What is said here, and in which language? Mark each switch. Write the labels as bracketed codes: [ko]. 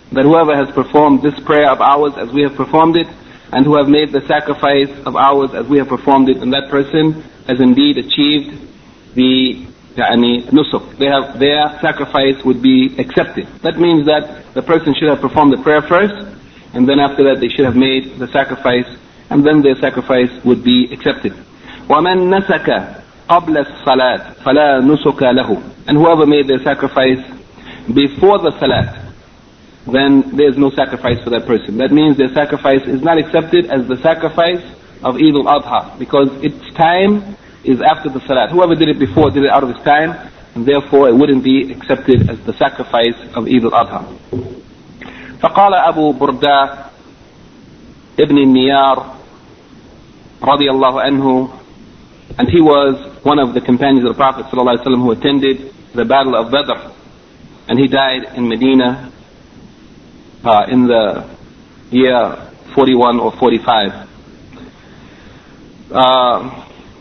[en] That whoever has performed this prayer of ours as we have performed it, and who have made the sacrifice of ours as we have performed it, and that person has indeed achieved the nusuk. They have, their sacrifice would be accepted. That means that the person should have performed the prayer first, and then after that they should have made the sacrifice, and then their sacrifice would be accepted. [ar] وَمَنْ نَسَكَ قبل الصلاة فلا نسك له. [en] And whoever made their sacrifice before the Salat, then there is no sacrifice for that person. That means their sacrifice is not accepted as the sacrifice of Eid al-Adha, because its time is after the Salat. Whoever did it before did it out of his time, and therefore it wouldn't be accepted as the sacrifice of Eid al-Adha. [ar] فقال أبو برداء ابن النيار رضي الله عنه. [en] And he was one of the companions of the Prophet ﷺ who attended the Battle of Badr. And he died in Medina in the year 41 or 45.